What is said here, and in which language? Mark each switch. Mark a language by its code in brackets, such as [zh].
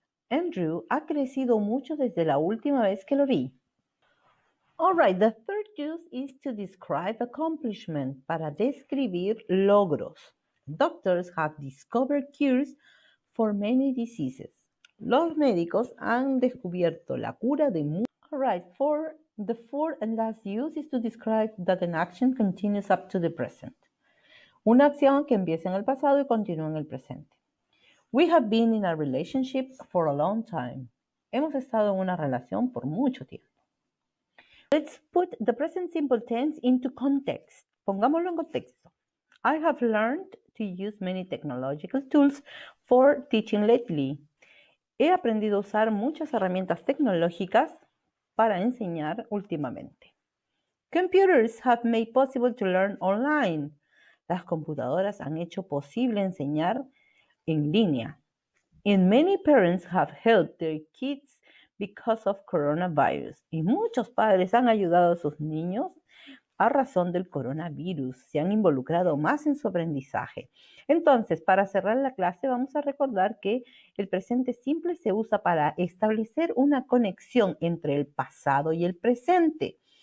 [es] Andrew ha crecido mucho desde la última vez que lo vi. [en] All right, the third use is to describe accomplishment, [es] para describir logros. [en] Doctors have discovered cures for many diseases. [es] Los médicos han descubierto la cura de muchos. [en] All right, for the fourth and last use is to describe that an action continues up to the present. [es] Una acción que empieza en el pasado y continúa en el presente. [en] We have been in a relationship for a long time. [es] Hemos estado en una relación por mucho tiempo. [en] Let's put the present simple tense into context. [es] Pongámoslo en contexto. [en] I have learned to use many technological tools for teaching lately. [es] He aprendido a usar muchas herramientas tecnológicas para enseñar últimamente. [en] Computers have made possible to learn online. [es] Las computadoras han hecho posible enseñar en línea. [en] And many parents have helped their kids because of coronavirus. [es] Y muchos padres han ayudado a sus niños a razón del coronavirus. Se han involucrado más en su aprendizaje. Entonces, para cerrar la clase, vamos a recordar que el presente simple se usa para establecer una conexión entre el pasado y el presente.